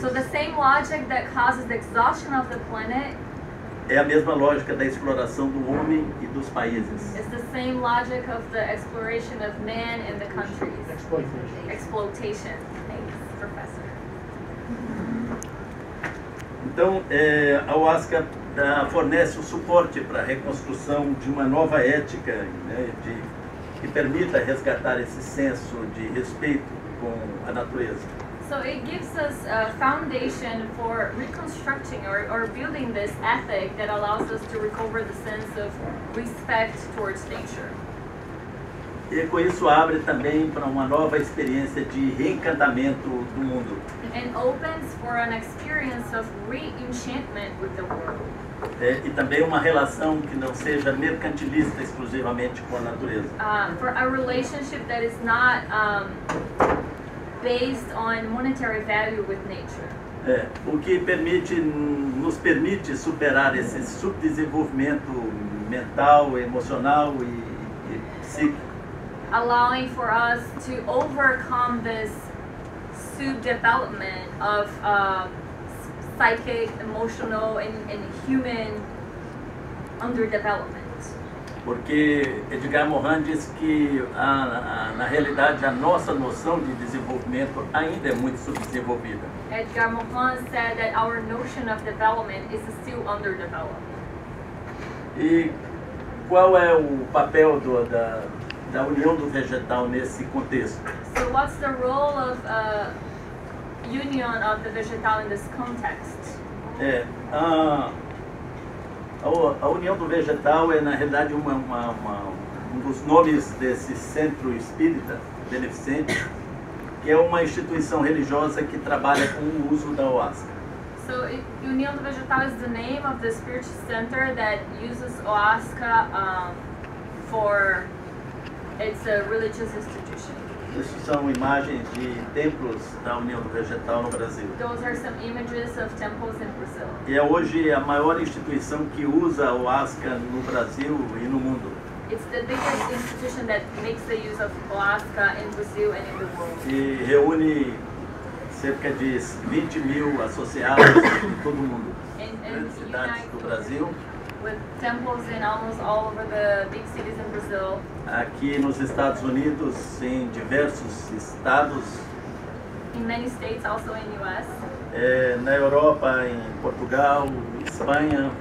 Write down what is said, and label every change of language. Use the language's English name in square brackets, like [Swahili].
[English] So the same logic that causes the exhaustion of the planet [Portuguese] é a mesma lógica da exploração do homem e dos países. [English] It's the same logic of the exploration of man and the countries. Exploitation. Thanks, professor. [Portuguese] Então, a OASCA fornece o suporte para a reconstrução de uma nova ética, né, que permita resgatar esse senso de respeito com a natureza. [English] So it gives us a foundation for reconstructing or building this ethic that allows us to recover the sense of respect towards nature. [Portuguese] E com isso abre também para uma nova experiência de reencantamento do mundo. [English] And opens for an experience of re-enchantment with the world. [Portuguese] E também uma relação que não seja mercantilista exclusivamente com a natureza. [English] For a relationship that is not based on monetary value with nature. [Portuguese] O que nos permite superar esse subdesenvolvimento mental, emocional e psíquico. [English] Allowing for us to overcome this subdevelopment of psychic, emotional, and human underdevelopment. [Portuguese] Porque Edgar Morin diz que na realidade a nossa noção de desenvolvimento ainda é muito subdesenvolvida. [English] Edgar Morin said that our notion of development is still underdeveloped. [Portuguese] E qual é o papel da união do vegetal nesse contexto? [English] So what's the role of union of the vegetal in this context? [Portuguese] A união do vegetal é na realidade um dos nomes desse centro espírita beneficente, que é uma instituição religiosa que trabalha com o uso da OASCA. [English] So, união do vegetal is the name of the spiritual center that uses OASCA for it's a religious institution. [Portuguese] Isso são imagens de templos da União do Vegetal no Brasil. [English] Those are some images of temples in Brazil. [Portuguese] E é hoje a maior instituição que usa o OASCA no Brasil e no mundo. [English] It's the biggest institution that makes the use of OASCA in Brazil and in the world. [Portuguese] E reúne cerca de 20 mil associados de todo o mundo. Em cidades do Brasil. [English] With temples in almost all over the big cities in Brazil. [Portuguese] Aqui nos Estados Unidos, em diversos estados. [English] In many states, also in US. [Portuguese] Na Europa, em Portugal, Espanha.